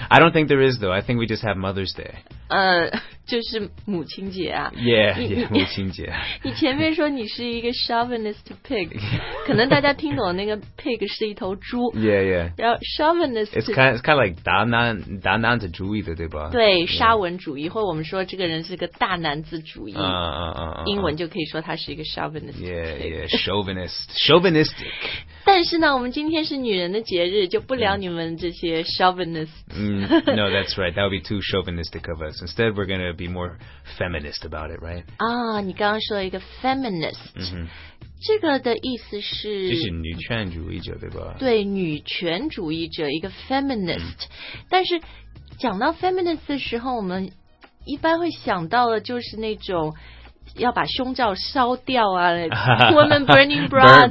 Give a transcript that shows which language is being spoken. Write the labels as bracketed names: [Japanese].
[English] I don't think there is, though. I think we just have Mother's Day. [Chinese] 就是母亲节啊。 Yeah, 母亲节。你前面说你是一个 chauvinist pig, 可能大家听懂那个 pig 是一头猪。 [English] Yeah, yeah. [Chinese] 然后 chauvinist... [English] It's kind of like [Chinese] 大男子主义的，对吧？对，沙文主义。或我们说这个人是个大男子主义。英文就可以说他是一个 chauvinist [English] pig. Yeah, yeah, chauvinist. Chauvinistic. [Chinese] 但是呢，我们今天是女人的节日，就不聊你们这些 chauvinist. [English] No, that's right. That would be too chauvinistic of us. Instead, we're going to be more feminist about it, right? [Chinese] 你刚刚说了一个 feminist.、 Mm-hmm. 这个的意思是就是女权主义者，对吧？对，女权主义者，一个 feminist、但是讲到 feminist 的时候，我们一般会想到的就是那种要把胸罩烧掉啊 [English] women burning bras